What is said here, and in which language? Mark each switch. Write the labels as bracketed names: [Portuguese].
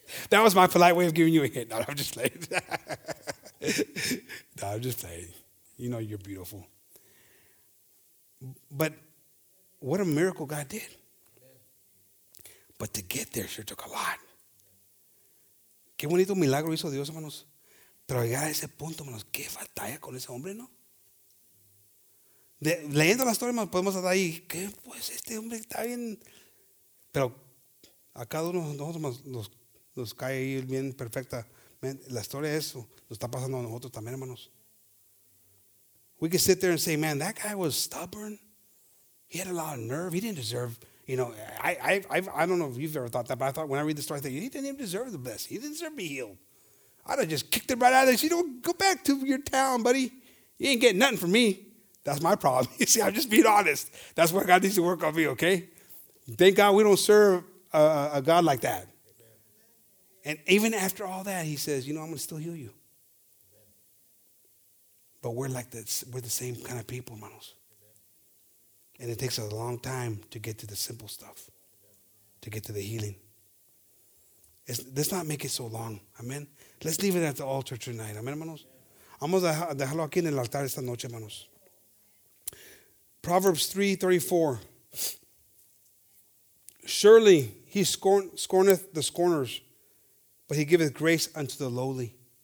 [English] That was my polite way of giving you a hint. No, I'm just playing. No, I'm just playing. You know you're beautiful. But what a miracle God did. But to get there sure took a lot. [Spanish] Qué bonito milagro hizo Dios, hermanos. Pero llegar a ese punto, hermanos, qué batalla con ese hombre, ¿no? Leyendo la historia, hermanos, podemos estar ahí, ¿qué? Pues este hombre está bien. Pero a cada uno de nosotros, hermanos, nos cae ahí bien perfecta. La historia es eso. Nos está pasando a nosotros también, hermanos. [English] We can sit there and say, man, that guy was stubborn. He had a lot of nerve. He didn't deserve, you know, I don't know if you've ever thought that, but I thought when I read the story, I thought, he didn't even deserve the best. He didn't deserve to be healed. I'd have just kicked him right out of there. You know, go back to your town, buddy. You ain't getting nothing from me. That's my problem. You see, I'm just being honest. That's where God needs to work on me, okay? Thank God we don't serve a God like that. Amen. And even after all that, he says, you know, I'm going to still heal you. Amen. But we're like this. We're the same kind of people, hermanos. And it takes a long time to get to the simple stuff, to get to the healing. Let's not make it so long. Amen. Let's leave it at the altar tonight. Amen, hermanos. [Spanish] Vamos a dejarlo aquí en el altar esta noche, hermanos. [English] Proverbs 3:34. Surely he scorneth the scorners, but he giveth grace unto the lowly.